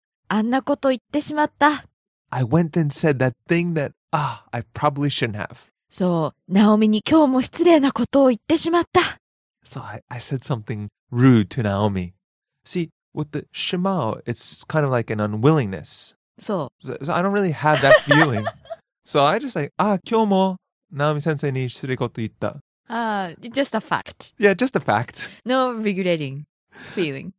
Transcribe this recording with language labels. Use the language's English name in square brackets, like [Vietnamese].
[Japanese] あんなこと言ってしまった。 [English] I went and said that thing that, ah, I probably shouldn't have. [Japanese] そう、ナオミに今日も失礼なことを言ってしまった。 [English] So I said something rude to Naomi. See, with the shimao, it's kind of like an unwillingness. So I don't really have that feeling. So I just like, ah, [Japanese] 今日も Naomi-sensei に失礼こと言った。 [English] Ah, just a fact. Yeah, just a fact. No regretting feeling.